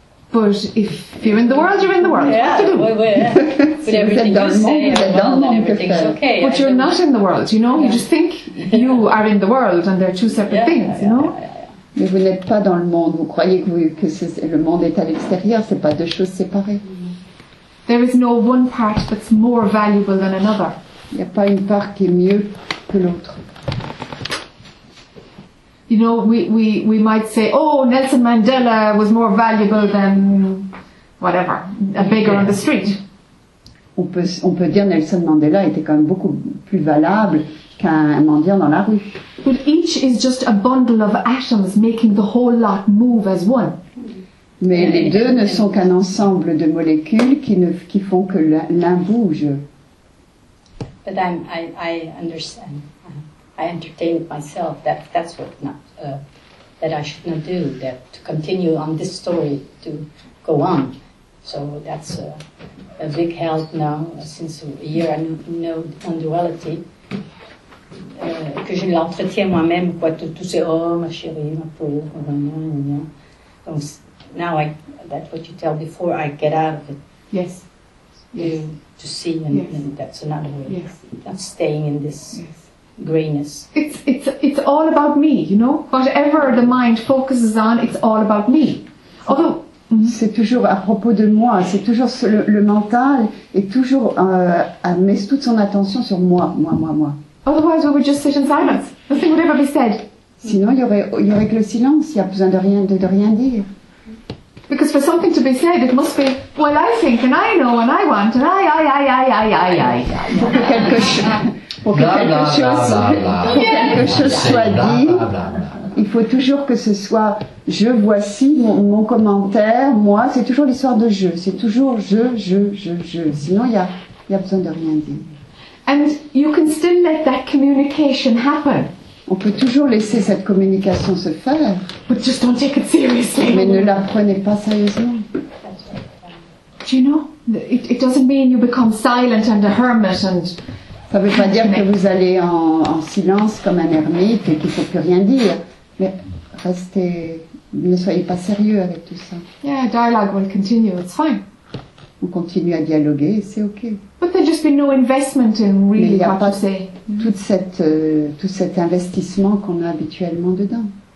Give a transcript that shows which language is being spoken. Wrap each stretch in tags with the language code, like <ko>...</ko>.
<en>But if you're in the world, you're in the world. Yeah. To do. But everything you say, everything's okay. But you're not in the world, you know? Yeah. You just think you are in the world and they're two separate things, you know? Yeah.</en> <fr>Mais vous n'êtes pas dans le monde. Vous croyez que le monde est à l'extérieur. C'est pas deux choses séparées.</fr> <en>There is no one part that's more valuable than another.</en> <fr>Il n'y a pas une part qui est mieux que l'autre.</fr> <en>You know, we might say, oh, Nelson Mandela was more valuable than whatever, a beggar on the street.</en> <fr>On peut dire Nelson Mandela était quand même beaucoup plus valable.</fr> <en>But each is just a bundle of atoms making the whole lot move as one.</en> <fr>Mais les deux ne sont qu'un ensemble de molécules qui font que l'un bouge.</fr> <en>But I understand. I entertain myself that's what not that I should not do. That to continue on this story to go on. So that's a big help now since a year I know on duality.</en> <fr>Que je l'entretiens moi-même, quoi, tout ces oh ma chérie, ma pauvre, rien.</fr> <en>Donc, now that's what you tell before, I get out of it. Yes. To see, and that's another way. Yes. Not staying in this grayness. It's all about me, you know? Whatever the mind focuses on, it's all about me. Although,</en> <fr>c'est toujours à propos de moi, c'est toujours le mental est toujours, met toute son attention sur moi.</fr> <en>Otherwise, we would just sit in silence. Nothing would ever be said.</en> <fr>Sinon, il y aurait que le silence. Il n'y a besoin de rien dire.</fr> <en>Because for something to be said, it must be, well, I think, and I know, and I want, and I.</en> <fr>Pour que quelque chose soit dit, il faut toujours que ce soit je voici mon commentaire, moi. C'est toujours l'histoire de je. C'est toujours je. Sinon, il y a besoin de rien dire.</fr> <en>And you can still let that communication happen.</en> <fr>On peut toujours laisser cette communication se faire.</fr> <en>But just don't take it seriously.</en> <fr>Mais ne la prenez pas sérieusement.</fr> <en>Do you know? It doesn't mean you become silent and a hermit and.</en> <fr>Ça veut pas dire que vous allez en silence comme un ermite et qu'il faut plus rien dire. Mais restez, ne soyez pas sérieux avec tout ça.</fr> <en>Yeah, dialogue will continue. It's fine.</en> <fr>On continue à dialoguer, et c'est ok.</fr> <en>But there's just been no investment in really what to say.</en> <fr>Toute cette, tout cet investissement qu'on a habituellement dedans.</fr>